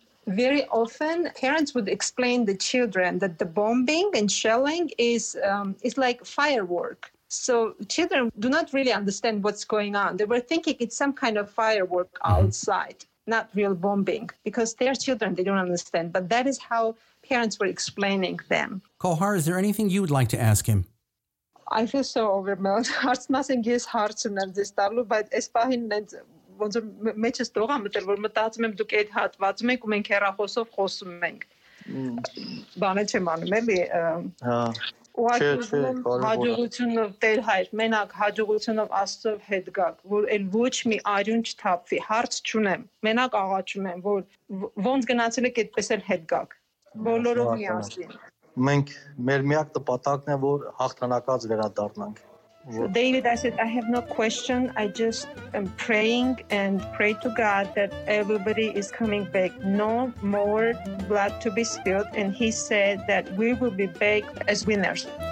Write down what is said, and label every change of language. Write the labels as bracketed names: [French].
[English] Very often parents would explain to the children that the bombing and shelling is like firework. So children do not really understand what's going on. They were thinking it's some kind of firework outside, not real bombing, because they're children, they don't understand. But that is how parents were explaining them. Kohar, is there anything you would like to ask him? I feel so overwhelmed. [Armenian] Հարց մասին ես հարց ունեմ ձեզ տալու, բայց այս պահին նենց ոնց որ մեջս տողա մտել, որ մտածում եմ դուք այդ հատվածում եք ու մենք հեռախոսով խոսում ենք. Բանը չեմ անում, էլի։ Հա։ Հաջողությունով Տեր Հայր, մենակ հաջողությունով Աստծո հետ գակ, որ այն ոչ մի արյուն չթափվի, հարց չունեմ, մենակ աղաչում եմ, որ ոնց գնացել եք այդպես էլ հետ գակ, բոլորով միասին։ Մենք մեր միակ տպատակն է, որ հաղթանակած վերադառնանք։ [English] David, I said, I have no question. I just am praying and pray to God that everybody is coming back. No more blood to be spilled. And he said that we will be back as winners.